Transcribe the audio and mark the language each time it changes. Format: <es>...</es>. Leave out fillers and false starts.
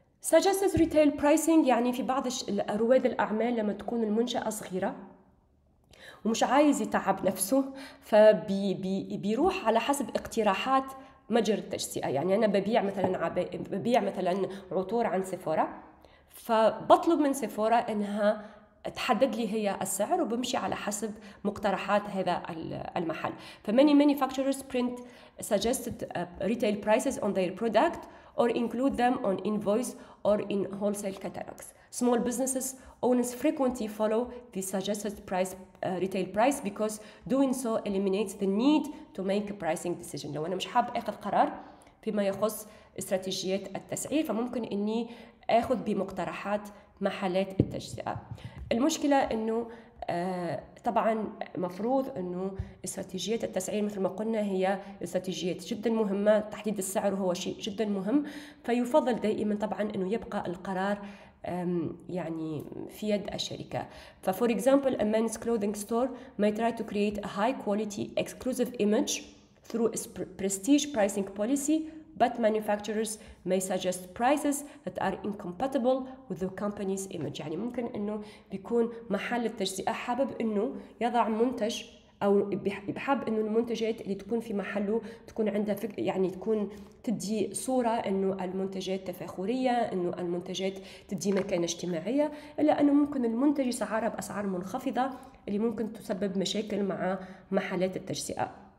<ar>Suggested Retail Pricing يعني في بعض رواد الأعمال لما تكون المنشأة صغيرة ومش عايز يتعب نفسه فبيروح على حسب اقتراحات متجر التجزئة يعني أنا ببيع مثلاً, ببيع مثلاً عطور عن سيفورا فبطلب من سيفورا أنها تحدد لي هي السعر وبمشي على حسب مقترحات هذا المحل.</ar> <en>فmany manufacturers print suggested retail prices on their product or include them on invoice or in wholesale catalogs. Small businesses owners frequently follow the suggested price retail price because doing so eliminates the need to make a pricing decision.</en> <ar>لو أنا مش حاب أخذ قرار فيما يخص استراتيجيات التسعير فممكن إني أخذ بمقترحات محلات التجزئة. المشكلة أنه طبعاً مفروض أنه استراتيجية التسعير مثل ما قلنا هي استراتيجية جداً مهمة تحديد السعر هو شيء جداً مهم فيفضل دائماً طبعاً أنه يبقى القرار يعني في يد الشركة.</ar> <en>ف for example a men's clothing store may try to create a high quality exclusive image through its prestige pricing policy, but manufacturers may suggest prices that are incompatible with the company's image.</en> <ar>يعني ممكن انه بيكون محل التجزئة حابب انه يضع منتج او بحب انه المنتجات اللي تكون في محله تكون عندها فكرة، يعني تكون تدي صورة انه المنتجات تفاخرية، انه المنتجات تدي مكانة اجتماعية، الا انه ممكن المنتج يسعرها باسعار منخفضة اللي ممكن تسبب مشاكل مع محلات التجزئة.</ar>